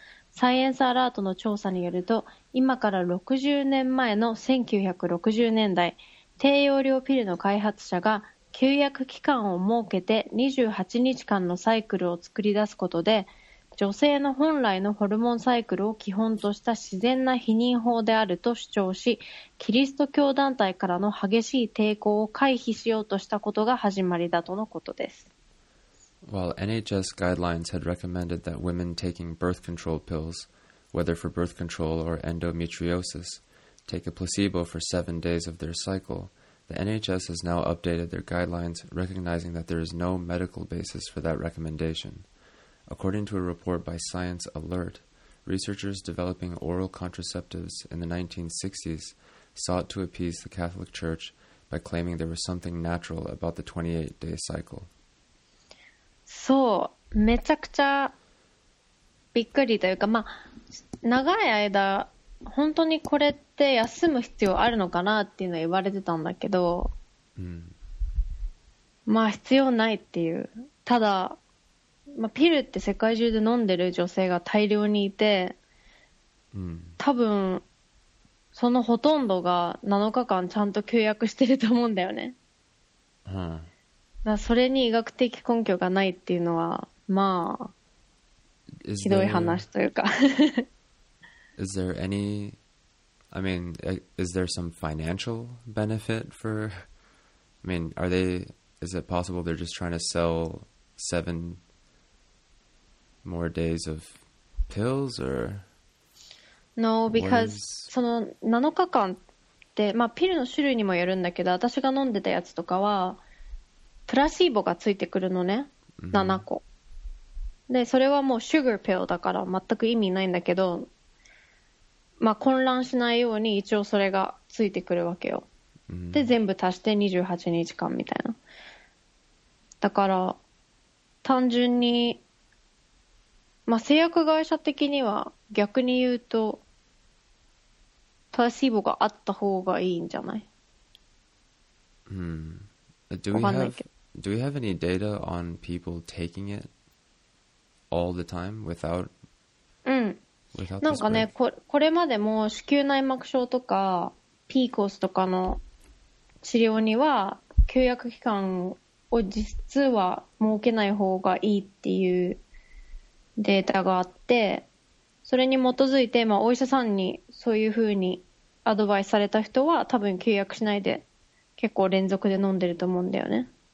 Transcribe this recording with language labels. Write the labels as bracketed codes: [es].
[ja] サイエンスアラートの調査によると、今から60年前の1960年代、低用量ピルの開発者が休薬期間を設けて28日間のサイクルを作り出すことで、女性の本来のホルモンサイクルを基本とした自然な避妊法であると主張し、キリスト教団体からの激しい抵抗を回避しようとしたことが始まりだとのことです。 [en] While NHS guidelines had recommended that women taking birth control pills, whether for birth control or endometriosis, take a placebo for 7 days of their cycle, the NHS has now updated their guidelines, recognizing that there is no medical basis for that recommendation. According to a report by Science Alert, researchers developing oral contraceptives in the 1960s sought to appease the Catholic Church by claiming there was something natural about the 28-day cycle. [ja] そう、めちゃくちゃびっくりというか、まあ、長い間本当にこれって休む必要あるのかなっていうのは言われてたんだけど、うん、まあ必要ないっていう。ただ、まあ、ピルって世界中で飲んでる女性が大量にいて、うん、多分そのほとんどが7日間ちゃんと休薬してると思うんだよね。うん、それに医学的根拠がないっていうのは、まあ、ひどい話というか。 [en] Is there any, I mean, is there some financial benefit for, I mean, are they, is it possible they're just trying to sell 7 more days of pills or? No, because [ja] その7日間って、まあ、ピルの種類にもよるんだけど、私が飲んでたやつとかは、プラシーボがついてくるのね、7個、うん、でそれはもうシュガーピルだから全く意味ないんだけど、まあ混乱しないように一応それがついてくるわけよ、うん、で全部足して28日間みたいな。だから単純に、まあ、製薬会社的には逆に言うとプラシーボがあった方がいいんじゃない、うん、わかんないけど。 [en] Do we have any data on people taking it all the time without? うん。 [ja] なんかね、これまでも子宮内膜症とか PCOS とかの治療には休薬期間を実は設けない方がいいっていうデータがあって、それに基づいて、まあ、お医者さんにそういうふうにアドバイスされた人は多分休薬しないで結構連続で飲んでると思うんだよね。